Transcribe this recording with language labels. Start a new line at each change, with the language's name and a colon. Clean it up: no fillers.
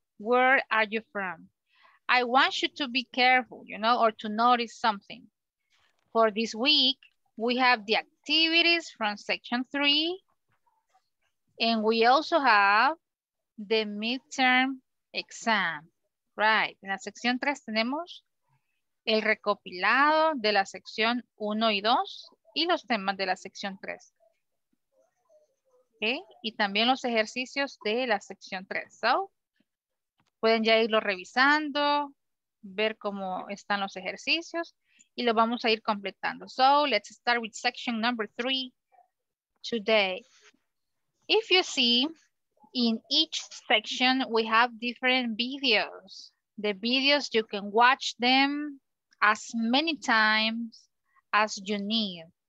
English: Where are you from? I want you to be careful, you know, or to notice something. For this week, we have the activities from section three, and we also have the midterm exam, right?
Spanish: En la sección tres tenemos el recopilado de la sección uno y dos y los temas de la sección tres. Okay? Y también los ejercicios de la sección tres. So, pueden ya irlo revisando, ver cómo están los ejercicios y lo vamos a ir completando.
English: So let's start with section number three today. If you see, in each section, we have different videos. The videos, you can watch them as many times as you need.